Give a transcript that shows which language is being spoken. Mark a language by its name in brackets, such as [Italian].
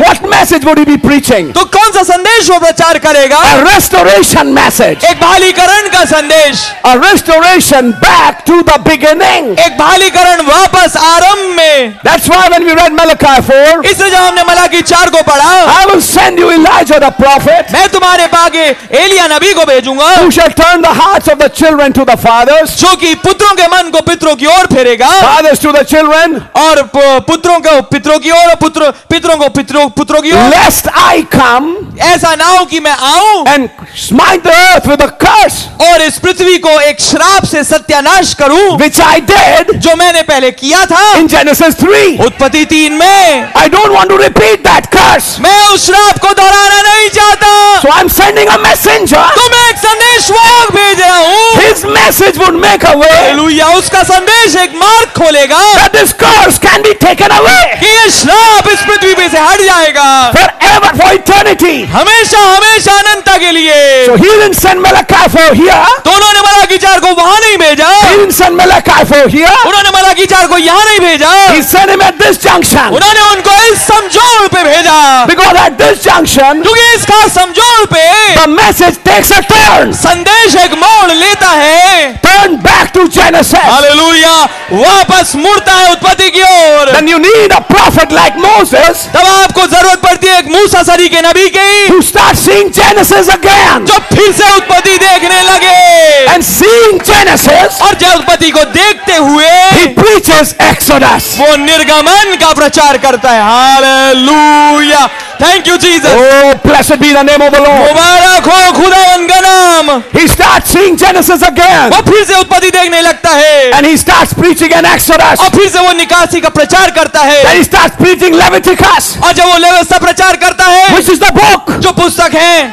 [English] what message would he be preaching? [Hindi] तो कौन सा संदेश वो प्रचार करेगा? [English] A restoration message, [Hindi] एक बहालीकरण का संदेश. [English] A restoration back to the beginning, [Hindi] एक बहालीकरण वापस आरंभ में. [English] That's why when we read Malachi 4, [Hindi] इसे जब हमने मलाकी चार को पढ़ा, [English] I will send you Elijah the prophet, [Hindi] मैं तुम्हारे पागे एलिया नबी को भेजूंगा, [English] who shall turn the hearts of the children to the fathers, [Hindi] जो कि पुत्रों के मन को पितरों की ओर फेरेगा, [English] fathers to the children, [Hindi] और पुत्रों को पितरों की ओर, पुत्र पितरों को पुत्रों की ओर, [English] lest I come, [Hindi] ऐसा ना हो कि मैं आऊं, [English] and smite the earth with a curse, [Hindi] और इस पृथ्वी को एक श्राप से सत्यानाश करूं, [English] which I did, [Hindi] जो मैंने पहले किया था, [English] in Genesis 3, [Hindi] उत्पत्ति 3 में. [English] I don't want to repeat that curse. [Hindi] मैं उस श्राप को दोहराना नहीं चाहता. [English] So I'm sending a messenger. [Hindi] तो मैं एक संदेशवाहक भेज रहा हूँ. [English] His message would make a way. [Hindi] Hallelujah. उसका संदेश एक मार्ग खोलेगा. [English] That this curse can be taken away. [Hindi] कि ये श्राप इस पृथ्वी पे से हट जाएगा. [English] Forever, for eternity. [Hindi] हमेशा हमेशा अनंत के लिए. [English] So he didn't send Malachi for here. [Hindi] दोनों ने मलाकी चार को वहाँ नहीं भेजा. [English] He didn't send Malachi for here. [Hindi] उन्होंने मलाकी चार को यहाँ नहीं भेजा. [English] He sent him at this junction. [Hindi] उन्होंने उनको इस समझौल पे भेजा. [English] Because at this junction, [Hindi] क्योंकि इसका समझौल पे, [English] the message takes a turn. [Hindi] संदेश एक मोड़ लेता है. [English] Turn back to Genesis. Hallelujah. [Hindi] वापस मुड़ता है उत्पत्ति की ओर. [English] Then you need a prophet like Moses. [Hindi] तब आपको जरूरत पड़ती है एक मूसा सरी के नबी की. [English] Who start seeing Genesis again. [Hindi] जो फिर से उत्पत्ति देखने लगे. [English] And seeing Genesis, [Hindi] और जब उत्पत्ति को देखते हुए, [English] he preaches Exodus. [Hindi] वो निर्गमन का प्रचार करता है. Hallelujah. [English] Thank you, Jesus. Oh, blessed be the name of the Lord. [Hindi] Mubarak ho Khudawand ka naam. [English] He starts seeing Genesis again. [Hindi] Woh phir se utpatti dekhne lagta hai. [English] And he starts preaching an Exodus. [Hindi] Aur phir se woh nikasi ka prachar karta hai. [English] Then he starts preaching Leviticus. [Hindi] Aur jab woh Leviticus ka prachar karta hai. [English] Which is the book? [Hindi] Jo pustak hai.